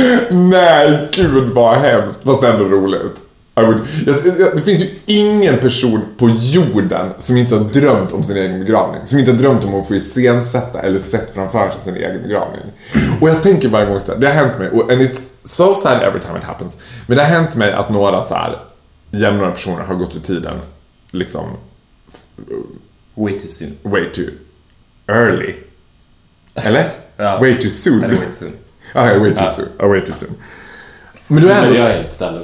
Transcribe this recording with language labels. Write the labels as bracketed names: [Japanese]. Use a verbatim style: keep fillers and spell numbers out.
[Swedish] Nej, gud vad hemskt. Fast ändå roligt. [English] I would, [Swedish] jag, jag, det finns ju ingen person på jorden som inte har drömt om sin egen begravning. Som inte har drömt om att få iscensätta eller sett framför sig sin egen begravning. Och jag tänker varje gång så här, det har hänt mig. Och, [English] and it's so sad every time it happens. [Swedish] Men det har hänt mig att några så här jämnåriga personer har gått ur tiden. Liksom... [English] Way too soon. Way too early. [Swedish] Eller? Ja. [English] Way too soon. Eller way too soon. Okay, way too [Swedish] ja. [English] soon. Oh, way too soon. [Swedish] Men, då är ändå... Men jag är helt ställd.